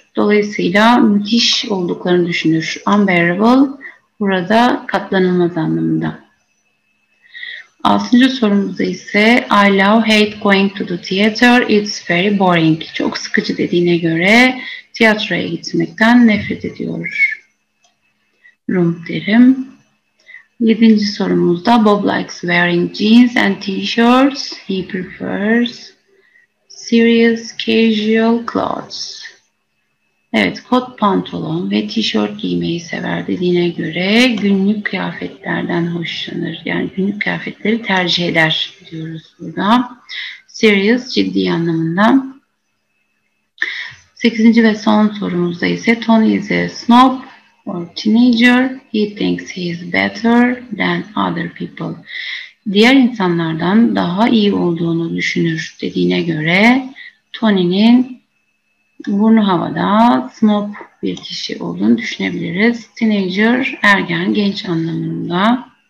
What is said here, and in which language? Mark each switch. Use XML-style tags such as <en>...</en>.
<tr>Dolayısıyla müthiş olduklarını düşünür. Unbearable burada katlanılmaz anlamında. Altıncı sorumuzda ise</tr> <en>I love hate going to the theater. It's very boring.</en> <tr>Çok sıkıcı dediğine göre tiyatroya gitmekten nefret ediyorum derim. Yedinci sorumuzda</tr> <en>Bob likes wearing jeans and t-shirts. He prefers serious casual clothes.</en> <tr>Evet, kot pantolon ve t-shirt giymeyi sever dediğine göre günlük kıyafetlerden hoşlanır. Yani günlük kıyafetleri tercih eder diyoruz burada. Serious, ciddi anlamında. Sekizinci ve son sorumuzda ise</tr> <en>Tony is a snob or teenager. He thinks he is better than other people.</en> <tr>Diğer insanlardan daha iyi olduğunu düşünür dediğine göre Tony'nin burnu havada snob bir kişi olduğunu düşünebiliriz. Teenager, ergen, genç anlamında.</tr>